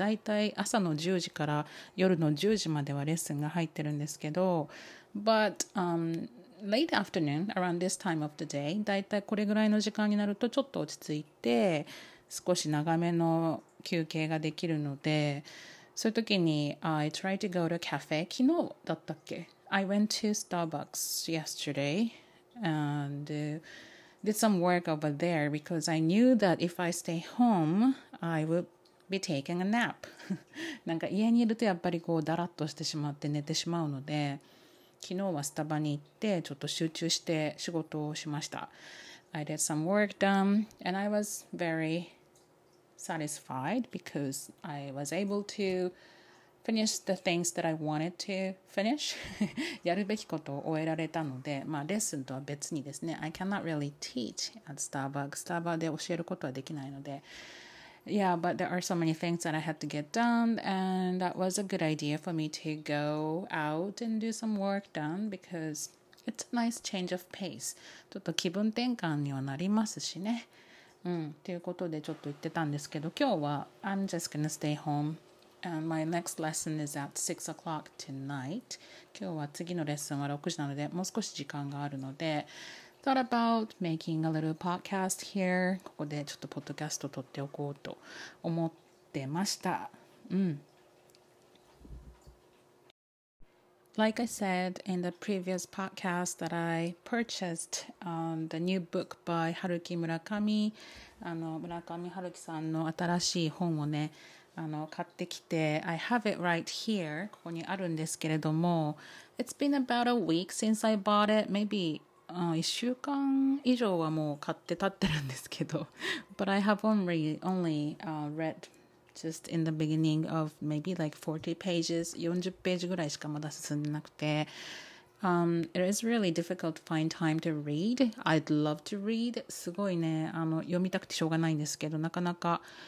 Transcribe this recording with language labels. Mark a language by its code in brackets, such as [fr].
[ja] だいたい朝の10時から夜の10時まではレッスンが入ってるんですけど、 [en] butLate afternoon, around this time of the day, [ja] だいたいこれぐらいの時間になるとちょっと落ち着いて少し長めの休憩ができるので、そういう時に [en] I try to go to a cafe. [ja] 昨日だったっけ? [en] I went to Starbucks yesterday and did some work over there because I knew that if I stay home, I would be taking a nap. [ja] なんか家にいるとやっぱりこうだらっとしてしまって寝てしまうので、昨日はスタバに行ってちょっと集中して仕事をしました。 [en] I did some work done and I was very satisfied because I was able to finish the things that I wanted to finish. [ja] やるべきことを終えられたので、まあレッスンとは別にですね、 [en] I cannot really teach at Starbucks. [ja] スタバで教えることはできないので。 [en] Yeah, but there are so many things that I had to get done, and that was a good idea for me to go out and do some work done because it's a nice change of pace. [ja] ちょっと気分転換にはなりますしね。ということでちょっと言ってたんですけど、今日は [en] I'm just gonna stay home, and my next lesson is at 6 o'clock tonight. [ja] 今日は次のレッスンは6時なので、もう少し時間があるので、 [en] Thought about making a little podcast here. [ja] ここでちょっとポッドキャスト撮っておこうと思ってました。 [en] Like I said in the previous podcast that I purchased the new book by Haruki Murakami. [ja] 村上春樹さんの新しい本をね、買ってきて、 [en] I have it right here. [ja] ここにあるんですけれども、 [en] It's been about a week since I bought it. Maybe [ja] 1週間以上はもう買って立ってるんですけど [en] But I have only read just in the beginning of maybe like 40 pages [ja] 40ページぐらいしかまだ進んでなくて [en] It is really difficult to find time to read I'd love to read [ja] すごいね読みたくてしょうがないんですけどなかなか